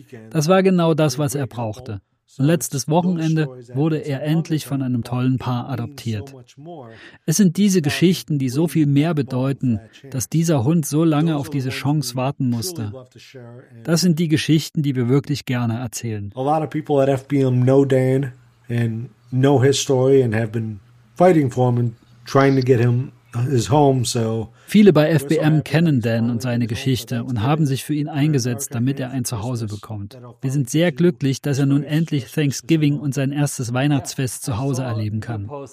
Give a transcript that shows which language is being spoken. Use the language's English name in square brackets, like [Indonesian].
[German] Das war genau das, was er brauchte. Und letztes Wochenende wurde er endlich von einem tollen Paar adoptiert. Es sind diese Geschichten, die so viel mehr bedeuten, dass dieser Hund so lange auf diese Chance warten musste. Das sind die Geschichten, die wir wirklich gerne erzählen. [English] A lot of people at FBM know Dan and know his story and have been fighting for him and trying to get him his home. So [German] viele bei FBM kennen Dan und seine Geschichte und haben sich für ihn eingesetzt, damit er ein Zuhause bekommt. Wir sind sehr glücklich, dass er nun endlich Thanksgiving und sein erstes Weihnachtsfest zu Hause erleben kann.